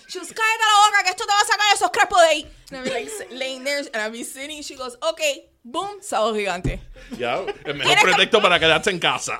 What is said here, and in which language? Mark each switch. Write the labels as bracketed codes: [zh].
[en] She goes, [es] cállate la boca, que esto te va a sacar esos crepos de ahí. [en] And I'm like, laying there, and I'm sitting. She goes, okay, boom, [es] sabor gigante. Yeah, el mejor pretexto para quedarte en casa.